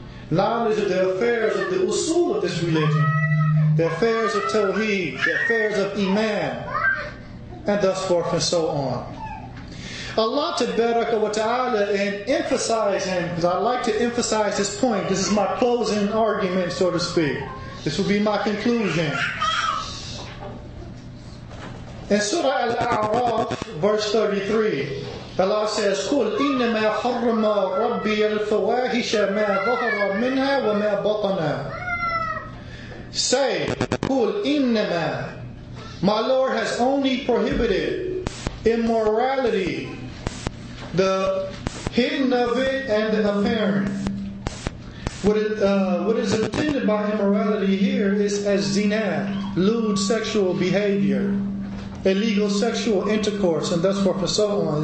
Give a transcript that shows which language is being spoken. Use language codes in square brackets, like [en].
[en] Knowledge of the affairs of the usul of this religion, the affairs of tawheed, the affairs of iman, and thus forth and so on. Allah Tabaraka wa Ta'ala, in emphasizing, because I like to emphasize this point, this is my closing argument, so to speak. This will be my conclusion. In Surah Al-A'raf, verse 33, Allah says, [ar] قُلْ إِنَّمَا حَرَّمَ رَبِّي الْفَوَاهِشَ مَا ظَهَرَ مِنْهَا وَمَا بَطَنَا. [en] Say, [ar] قُلْ إِنَّمَا, [en] my Lord has only prohibited immorality, the hidden of it and the apparent. What is intended by immorality here is as zina, lewd sexual behavior, illegal sexual intercourse, and thus forth and so on.